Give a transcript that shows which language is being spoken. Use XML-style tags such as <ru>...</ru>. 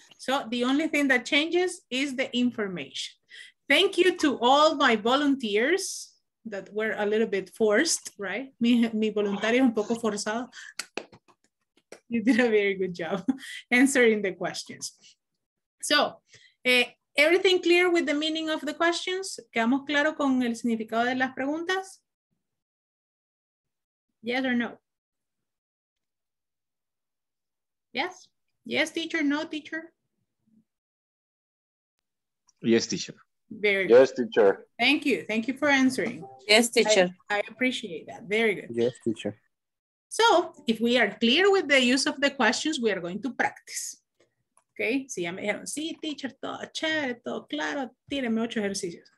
<en>So the only thing that changes is the information. Thank you to all my volunteers that were a little bit forced, right?</en> <es>Mi voluntario un poco forzado.</es> <en>You did a very good job answering the questions. So, everything clear with the meaning of the questions?</en> <es>¿Quedamos claro con el significado de las preguntas?</es> <en>Yes or no? Yes? Yes, teacher? No, teacher? Yes, teacher. Very good. Yes, teacher. Thank you. Thank you for answering. Yes, teacher. I appreciate that. Very good. Yes, teacher. So, if we are clear with the use of the questions, we are going to practice. Okay?</en> <es>Si ya me dijeron, sí, teacher, todo chévere, todo claro, tíreme ocho ejercicios.</es>